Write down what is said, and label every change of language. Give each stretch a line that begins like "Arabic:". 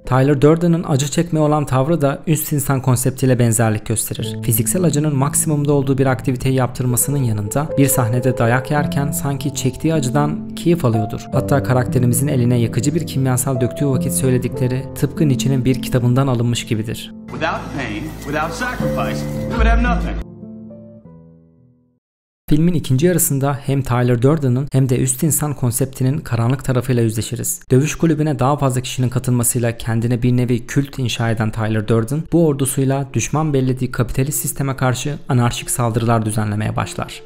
Turkish: Tyler Durden'ın acı çekmeye olan tavrı da üst insan konseptiyle benzerlik gösterir. Fiziksel acının maksimumda olduğu bir aktiviteyi yaptırmasının yanında bir sahnede dayak yerken sanki çektiği acıdan keyif alıyordur. Hatta karakterimizin eline yakıcı bir kimyasal döktüğü vakit söyledikleri tıpkı Nietzsche'nin bir kitabından alınmış gibidir.
English: Without pain, without sacrifice, we would have nothing.
Turkish: Filmin ikinci yarısında hem Tyler Durden'ın hem de üst insan konseptinin karanlık tarafıyla yüzleşiriz. Dövüş kulübüne daha fazla kişinin katılmasıyla kendine bir nevi kült inşa eden Tyler Durden, bu ordusuyla düşman bellediği kapitalist sisteme karşı anarşik saldırılar düzenlemeye başlar.